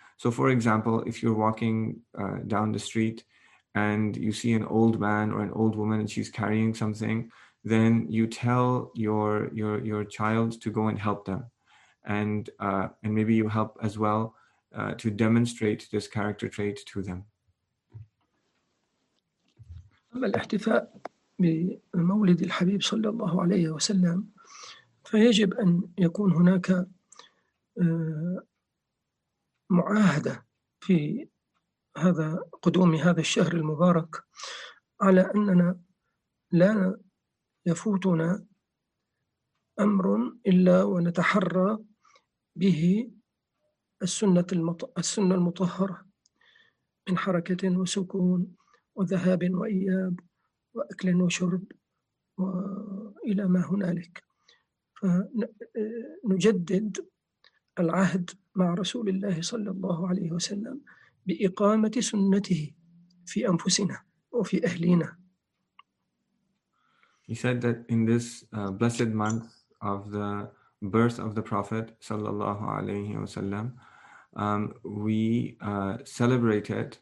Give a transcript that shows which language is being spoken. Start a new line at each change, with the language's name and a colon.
English: So for example, if you're walking down the street and you see an old man or an old woman and she's carrying something, then you tell your child to go and help them. And maybe you help as well to demonstrate this character trait to them.
Arabic: أما الاحتفاء بمولد الحبيب صلى الله عليه وسلم فيجب أن يكون هناك معاهدة في هذا قدوم هذا الشهر المبارك على أننا لا يفوتنا أمر إلا ونتحرى به السنة المطهرة من حركة وسكون وذهاب وإياب وأكل وشرب وإلى ما هنالك فنجدد العهد مع رسول الله صلى الله عليه وسلم بإقامة سنته في أنفسنا وفي أهلنا.
English: He said that in this blessed month of the birth of the Prophet sallallahu alayhi wa sallam, we celebrate it.